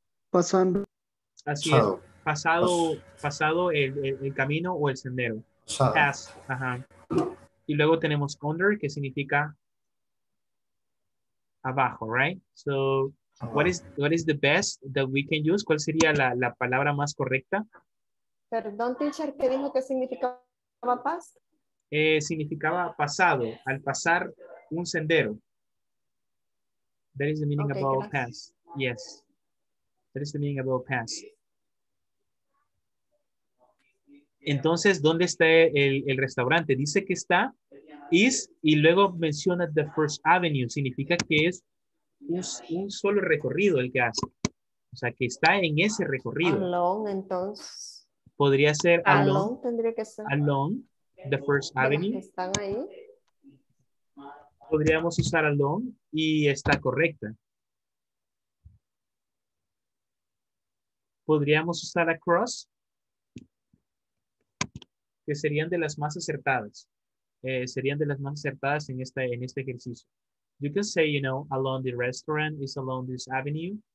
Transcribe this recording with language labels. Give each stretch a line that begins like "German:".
Spanish: Pasando. Así pasado. Es. Pasado, pasado el camino o el sendero. Pasado.
English: Past. Ajá.
Spanish: Y luego tenemos under, que significa abajo,
English: right? So, what is the best that we can use?
Spanish: ¿Cuál sería la palabra más correcta? Perdón, teacher, ¿qué dijo que significaba past? Significaba pasado, al pasar un sendero.
English: That is the meaning okay, about past. Yes. That is the meaning about past.
Spanish: Entonces, ¿dónde está el restaurante? Dice que está, is, y luego menciona the first avenue. Significa que es un solo recorrido el que hace. O sea, que está en ese recorrido. Along, entonces. Podría ser along. Along tendría que ser.
English: Along, the first avenue.
Spanish: Están ahí. Podríamos usar along y está correcta. Podríamos usar across, que serían de las más acertadas. Serían de las más acertadas en este ejercicio.
English: You can say, you know, along the restaurant is along this avenue.